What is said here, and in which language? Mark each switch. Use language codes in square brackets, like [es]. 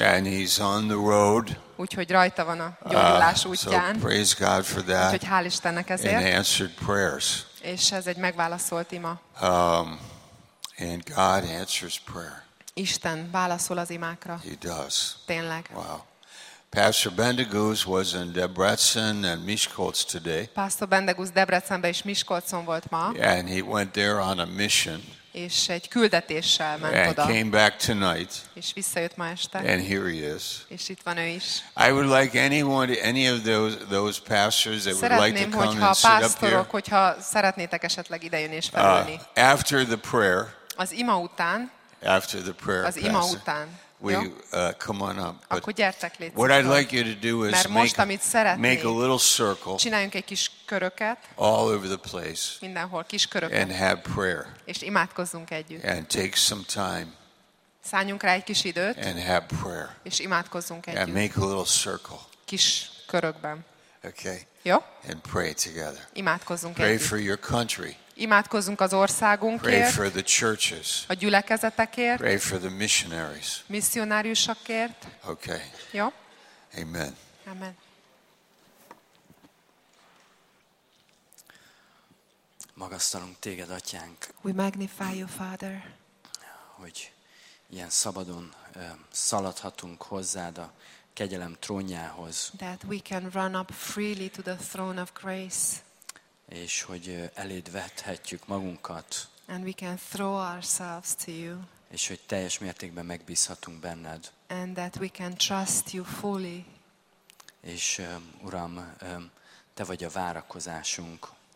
[en] And he's on the road. [hu] Úgyhogy rajta van a gyógyulás útján. [en] So praise God for that. [hu] Úgyhogy hál' Istennek ezért. [en] And answered prayers. [hu] És ez egy megválaszolt ima. [en] And God answers prayer. [hu] Isten válaszol az imákra. [en] He does. [hu] Tényleg. Wow. [en] Pastor Bendegúz was in Debrecen and Miskolc today. [hu] Pastor Bendegúz Debrecenben és Miskolcon volt ma. [en] And he went there on a mission. [hu] És egy küldetéssel ment oda. [en] And came back tonight. [hu] És visszajött ma este. [en] And here he is. [hu] És itt van ő is. [en] I would like anyone, any of those pastors that would like to come and [hu] pastorok, Szeretném, hogyha szeretnétek esetleg idejönni és felülni. [en] After the prayer. [hu] Az ima után. [en] After the prayer. [hu] Az ima után. [en] We come on up. [hu] But akkor gyertek, légy szíves. [en] What I'd like you to do is make a little circle. [hu] Csináljunk egy kis köröket. [en] All over the place. [hu] Mindenhol kis köröket. [en] And have prayer. [hu] És imádkozzunk együtt. [en] And take some time. [hu] Szálljunk rá egy kis időt. [en] And have prayer. [hu] És imádkozzunk együtt. [en] And make a little circle. [hu] Kis körökben. [en] Okay. [hu] Jó? [en] And pray together. [hu] Imádkozzunk [en] pray [hu] együtt. [en] Pray for your country. [hu] Imádkozzunk az országunkért. [en] Pray for the churches. [hu] A gyülekezetekért. [en] Pray for the missionaries. [hu] Missionáriusokért. [en] Okay. [hu] Jó. Amen. Amen. Magasztalunk téged, Atyánk. [en] We magnify you, Father. [hu] Hogy ilyen szabadon szaladhatunk hozzád a kegyelem trónjához. [en] That we can run up freely to the throne of grace. [hu] És hogy eléd vethetjük magunkat. [en] And we can throw ourselves to you. [hu] És hogy teljes mértékben megbízhatunk benned. [en] And that we can trust you fully. [hu] És Uram, te vagy a várakozásunk.